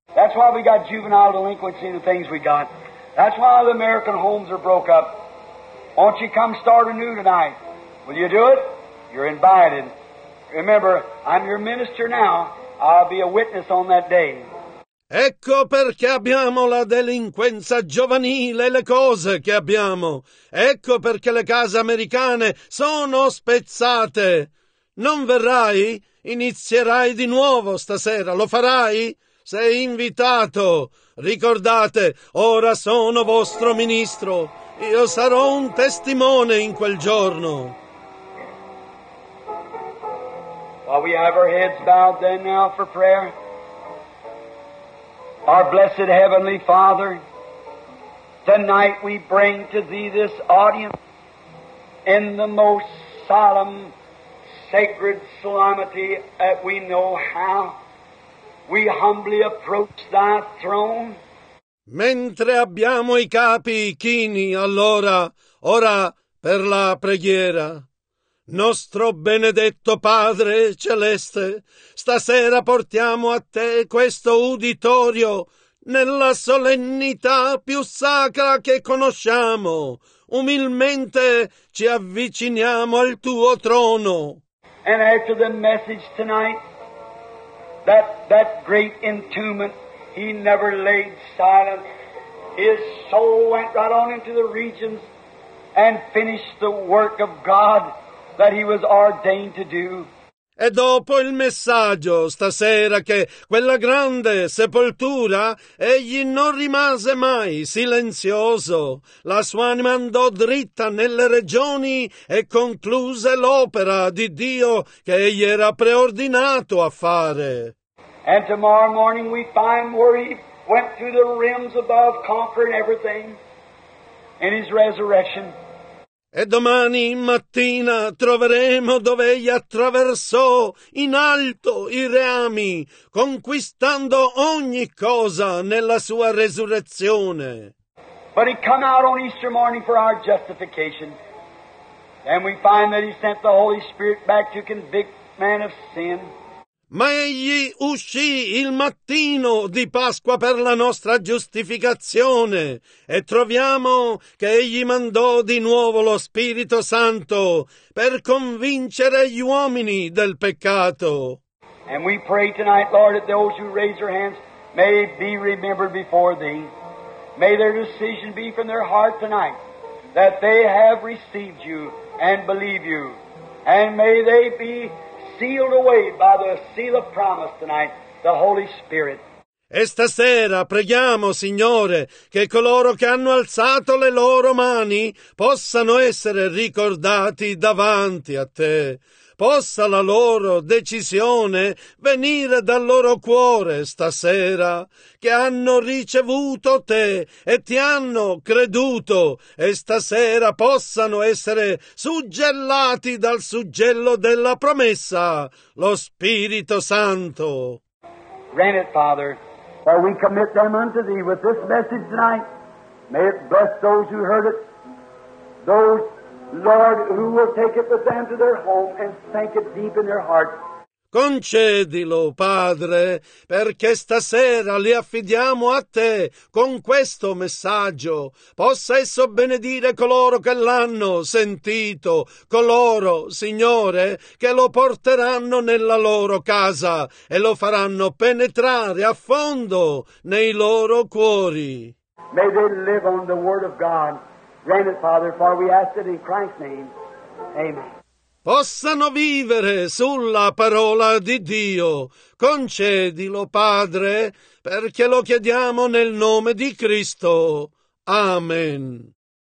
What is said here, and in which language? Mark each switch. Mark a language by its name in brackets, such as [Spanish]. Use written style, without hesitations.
[English] That's why we got juvenile delinquency and the things we got. That's why the American homes are broke up. Won't you come start anew tonight? Will you do it? You're invited. Remember, I'm your minister now. I'll be a witness on that day. [Italian] Ecco perché abbiamo la delinquenza giovanile, le cose che abbiamo. Ecco perché le case americane sono spezzate. Non verrai? Inizierai di nuovo stasera. Lo farai? Sei invitato. Ricordate, ora sono vostro ministro. Io sarò un testimone in quel giorno. [English] While we have our heads bowed then now for prayer, our blessed Heavenly Father, tonight we bring to Thee this audience in the most solemn, sacred solemnity that we know how. We humbly approach Thy throne. [Italian] Mentre abbiamo i capi chini, allora, ora per la preghiera. Nostro benedetto Padre Celeste, stasera portiamo a Te questo uditorio nella solennità più sacra che conosciamo. Umilmente ci avviciniamo al Tuo trono. [English] And after the message tonight, that great entombment, He never laid silent. His soul went right on into the regions and finished the work of God that He was ordained to do. [Italian] E dopo il messaggio stasera che quella grande sepoltura, egli non rimase mai silenzioso. La sua anima andò dritta nelle regioni e concluse l'opera di Dio che egli era preordinato a fare. [English] And tomorrow morning we find where He went through the realms above, conquering everything in His resurrection. [Italian] E domani mattina troveremo dove egli attraversò in alto i reami, conquistando ogni cosa nella sua resurrezione. [English] But He come out on Easter morning for our justification. Then we find that he sent the Holy Spirit back to convict man of sin. [Italian] Ma egli uscì il mattino di Pasqua per la nostra giustificazione e troviamo che egli mandò di nuovo lo Spirito Santo per convincere gli uomini del peccato. [English] And we pray tonight, Lord, that those who raise their hands may be remembered before thee. May their decision be from their heart tonight that they have received you and believe you. And may they be sealed away by the seal of promise tonight, the Holy Spirit. [Italian] E stasera preghiamo, Signore, che coloro che hanno alzato le loro mani possano essere ricordati davanti a te. Possa la loro decisione venire dal loro cuore stasera, che hanno ricevuto te e ti hanno creduto, e stasera possano essere suggellati dal suggello della promessa, lo Spirito Santo. [English] Grant it, Father, that we commit them unto thee with this message tonight. May it bless those who heard it, those, Lord, who will take it with them to their home and sink it deep in their heart. [Italian] Concedilo, Padre, perché stasera li affidiamo a te con questo messaggio. Possa esso benedire coloro che l'hanno sentito, coloro, Signore, che lo porteranno nella loro casa e lo faranno penetrare a fondo nei loro cuori. [English] May they live on the Word of God. Grant it, Father, for we ask it in Christ's name. Amen. [Italian] Possano vivere sulla parola di Dio. Concedilo, Padre, perché lo chiediamo nel nome di Cristo. Amen.